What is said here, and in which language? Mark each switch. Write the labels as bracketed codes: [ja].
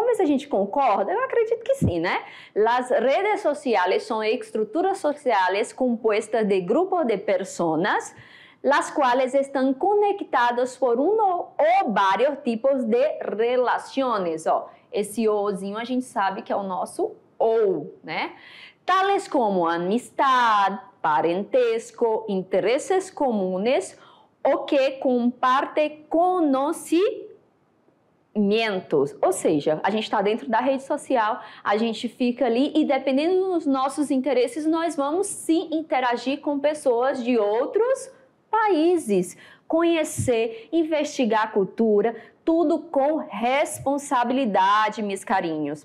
[pt] Vamos ver se a gente concorda? Eu acredito que sim, né? As redes sociais são estruturas sociais compostas de grupos de pessoas, [es] las cuales están conectadas por uno o varios tipos de relaciones. [pt] Ó, esse ozinho a gente sabe que é o nosso ou, né? [es] Tales como amistad, parentesco, intereses comunes o que comparte conocimientos. [pt] Ou seja, a gente está dentro da rede social, a gente fica ali e dependendo dos nossos interesses, nós vamos sim interagir com pessoas de outros países, conhecer, investigar a cultura, tudo com responsabilidade, meus carinhos.